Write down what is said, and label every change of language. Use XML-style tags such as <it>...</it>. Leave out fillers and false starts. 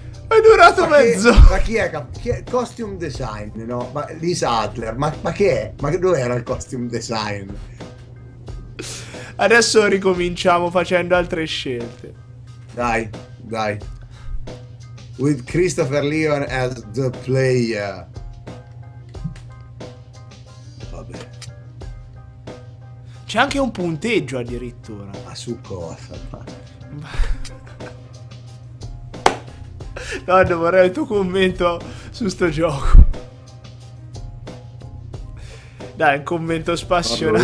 <it>È durato ma mezzo. Che, ma chi è, costume design, no? Ma Liz Adler, ma che è? Ma dove era il costume design? Adesso ricominciamo facendo altre scelte. Dai, dai.</it> <en>With Christopher Leon as the player.</en> <it>Vabbè. C'è anche un punteggio addirittura. Ma su cosa? No, vorrei il tuo commento su sto gioco. Dai, un commento spassionato.</it>